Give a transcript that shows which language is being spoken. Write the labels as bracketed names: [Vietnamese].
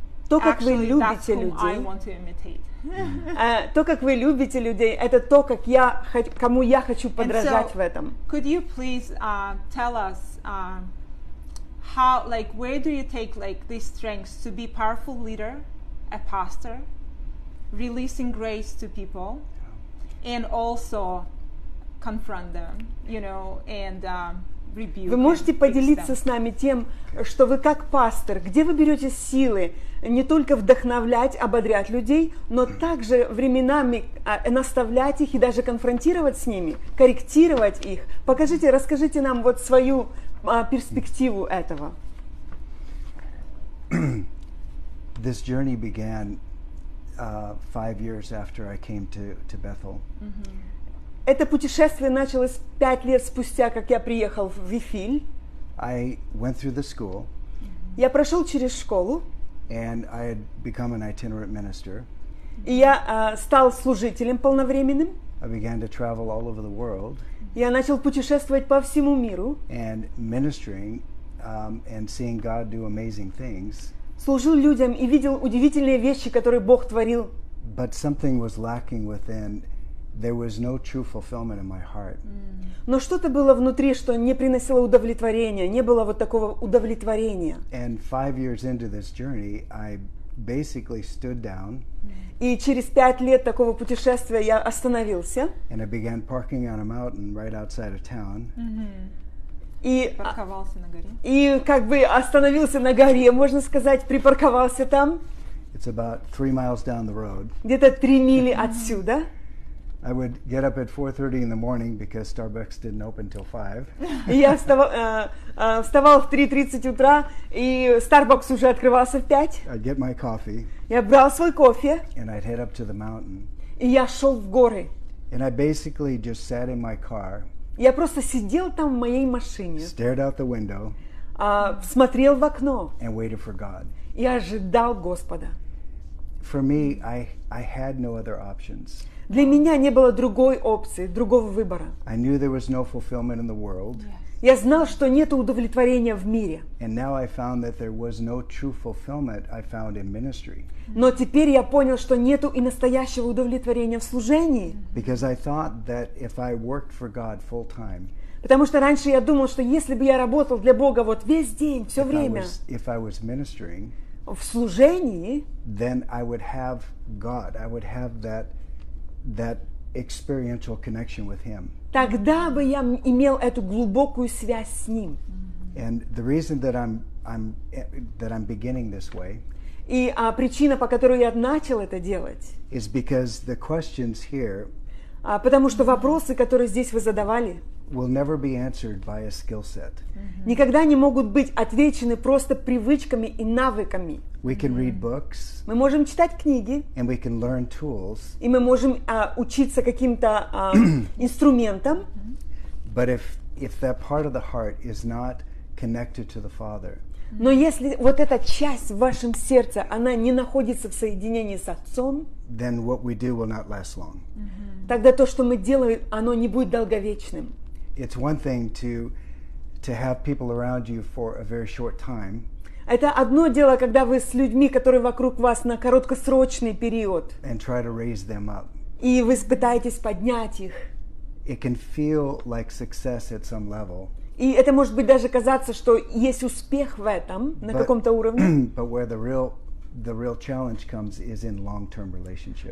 [Russian] То, как вы любите людей, то, как вы любите людей, это то, как я, кому я хочу подражать в этом. [English] Could you please tell us how, like, where do you take like this strength to be powerful leader, a pastor, releasing grace to people? And also confront them, you know, and rebuke them. [Russian] Вы можете поделиться с нами тем, что вы как пастор, где вы берете силы не только вдохновлять, ободрять людей, но также временами наставлять их и даже конфронтировать с ними, корректировать их. Покажите, расскажите нам вот свою перспективу этого. [English] This journey began 5 years after I came to Bethel. [Russian] Это путешествие началось 5 лет спустя, как я приехал в Вифиль. [English] I went through the school. [Russian] Я прошел через школу. [English] And I had become an itinerant minister. [Russian] И я стал служителем полновременным. [English] I began to travel all over the world. [Russian] Я начал путешествовать по всему миру. [English] And ministering and seeing God do amazing things. [Russian] Служил людям и видел удивительные вещи, которые Бог творил. [English] But something was lacking within. There was no true fulfillment in my heart. [Russian] Но что-то было внутри, что не приносило удовлетворения, не было вот такого удовлетворения. [English] And 5 years into this journey, I basically stood down. [Russian] И через 5 лет такого путешествия я остановился. [English] And I began parking on a mountain right outside of town. [Russian] И парковался на горе. И как бы остановился на горе, можно сказать, припарковался там. [English] It's about 3 miles down the road. [Russian] Где-то 3 мили отсюда. [English] I would get up at 4:30 in the morning because Starbucks didn't open till 5. [Russian] Я вставал в 3:30 утра, и Starbucks уже открывался в 5. [English] I'd get my coffee. [Russian] Я брал свой кофе. [English] And I'd head up to the mountain. [Russian] И я шел в горы. [English] And I basically just sat in my car. [Russian] Я просто сидел там в моей машине. [English] Stared out the window. [Russian] Смотрел в окно. [English] And waited for God. [Russian] И ожидал Господа. [English] For me, I had no other options. [Russian] Для меня не было другой опции, другого выбора. [English] I knew there was no fulfillment in the world. [Russian] Я знал, что нет удовлетворения в мире. [English] And now I found that there was no true fulfillment I found in ministry. [Russian] Но теперь я понял, что нету и настоящего удовлетворения в служении. [English] Because I thought that if I worked for God full time. [Russian] Потому что раньше я думал, что если бы я работал для Бога вот весь день, все время. [English] If I was ministering. [Russian] В служении. [English] Then I would have God. I would have that experiential connection with him. [Russian] Тогда бы я имел эту глубокую связь с ним. [English] And the reason that I'm beginning this way. [Russian] И причина, по которой я начал это делать. [English] Is because the questions here. [Russian] Потому что вопросы, которые здесь вы задавали. [English] Will never be answered by a skill set. [Russian] Никогда не могут быть отвечены просто привычками и навыками. [English] We can read books. [Russian] Мы можем читать книги. [English] And we can learn tools. [Russian] И мы можем учиться каким-то инструментам. [English] But if that part of the heart is not connected to the Father. [Russian] Но если вот эта часть в вашем сердце, она не находится в соединении с Отцом, [English] then what we do will not last long. [Russian] Тогда то, что мы делаем, оно не будет долговечным. [English] It's one thing to have people around you for a very short time. [Russian] Это одно дело, когда вы с людьми, которые вокруг вас на короткосрочный период. [English] And try to raise them up. [Russian] И вы пытаетесь поднять их. [English] It can feel like success at some level. [Russian] И это может быть даже казаться, что есть успех в этом на каком-то уровне. [English] But where the real challenge comes is in long-term relationships.